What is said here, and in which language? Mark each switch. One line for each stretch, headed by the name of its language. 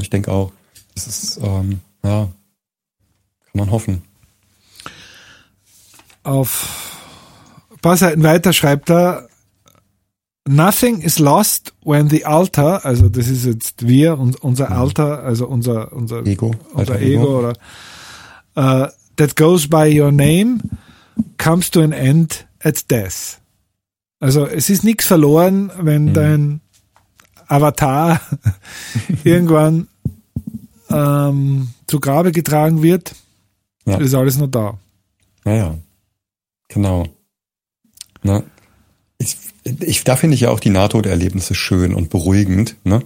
German: Ich denke auch, das ist, kann man hoffen. Auf ein paar Seiten weiter schreibt er,
English: Nothing is lost when the altar,
German: also das ist jetzt wir und unser Altar, also unser Ego, unser Ego oder
English: that goes by your name, comes to an end at death.
German: Also es ist nichts verloren, wenn dein Avatar irgendwann zu Grabe getragen wird. Ja. Ist alles noch da. Naja, genau. Na, da finde ich ja auch die Nahtoderlebnisse schön und beruhigend. Ne?